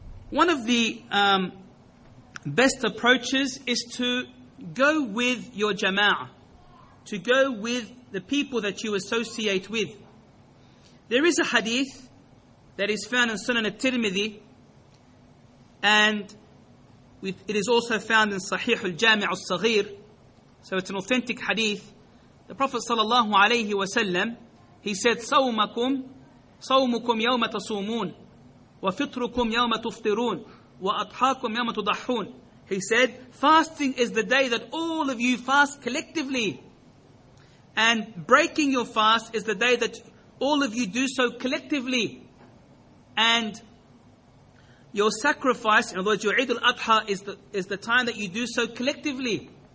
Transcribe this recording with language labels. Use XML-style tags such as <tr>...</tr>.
<en>One of the best approaches is to go with your jama'ah, to go with the people that you associate with. There is a hadith that is found in Sunan al-Tirmidhi, and it is also found in Sahih al-Jami' al-Saghir. So it's an authentic hadith.</en> <ar>The Prophet sallallahu alayhi wa sallam,</ar> <en>he said,</en> <ar>صومكم يوم تصومون وفطركم يوم تفطرون وأضحاكم يوم تضحون.</ar> <en>He said, fasting is the day that all of you fast collectively, and breaking your fast is the day that all of you do so collectively, and your sacrifice, in other words, your Eid al-Adha is the time that you do so collectively.</en>